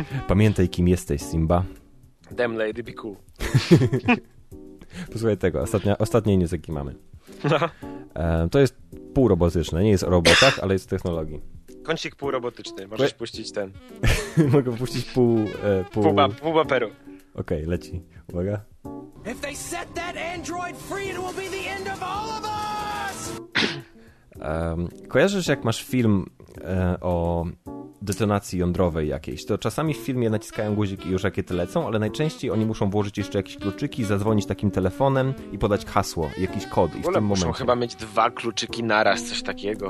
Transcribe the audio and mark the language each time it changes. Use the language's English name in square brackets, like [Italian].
[Polish] Pamiętaj, kim jesteś, Simba. [English] Damn, lady, be cool. [Polish] Posłuchaj tego, ostatnie news, jaki mamy. To jest półrobotyczne, nie jest o robotach, ale jest o technologii. Kącik półrobotyczny, możesz puścić ten. Mogę puścić pół... Pół baperu. Okej, leci. Uwaga. [English] If they set that android free, it will be the end of all of us! [Polish] Kojarzysz, jak masz film o detonacji jądrowej jakiejś, to czasami w filmie naciskają guzik i już rakiety te lecą, ale najczęściej oni muszą włożyć jeszcze jakieś kluczyki, zadzwonić takim telefonem i podać hasło, jakiś kod. I w tym momencie muszą chyba mieć dwa kluczyki naraz, coś takiego.